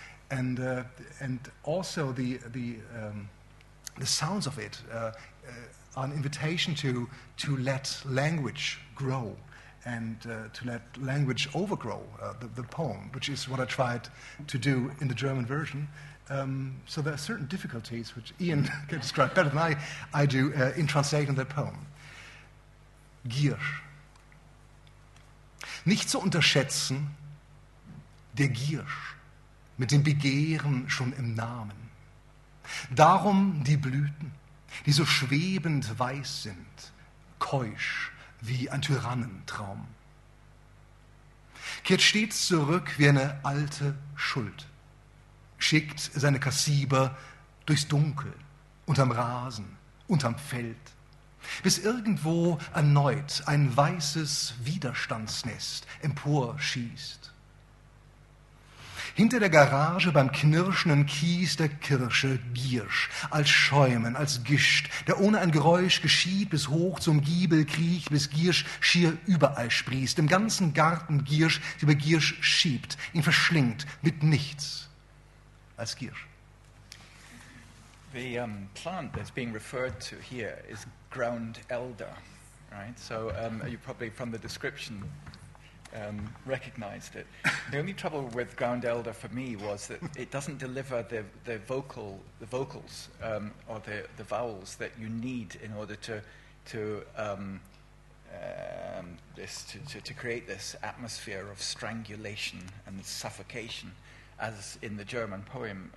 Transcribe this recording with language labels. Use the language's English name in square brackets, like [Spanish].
[English] And also the sounds of it are an invitation to let language grow and to let language overgrow the poem, which is what I tried to do in the German version. So there are certain difficulties, which Ian can describe better than I do, in translating that poem. [German] Gier. Nicht zu unterschätzen, der Gier, mit dem Begehren schon im Namen. Darum die Blüten, die so schwebend weiß sind, keusch wie ein Tyrannentraum. Kehrt stets zurück wie eine alte Schuld, schickt seine Kassiber durchs Dunkel, unterm Rasen, unterm Feld, bis irgendwo erneut ein weißes Widerstandsnest emporschießt. Hinter der Garage beim knirschenden Kies der Kirsche Giersch, als Schäumen, als Gischt, der ohne ein Geräusch geschieht, bis hoch zum Giebel kriecht, bis Giersch schier überall sprießt, im ganzen Garten Giersch über Giersch schiebt, ihn verschlingt mit nichts als Giersch. [English] The plant that's being referred to here is ground elder, right? So you probably, from the description, recognized it. The only trouble with ground elder for me was that it doesn't deliver the vocals or the vowels that you need in order to create this atmosphere of strangulation and suffocation, as in the German poem.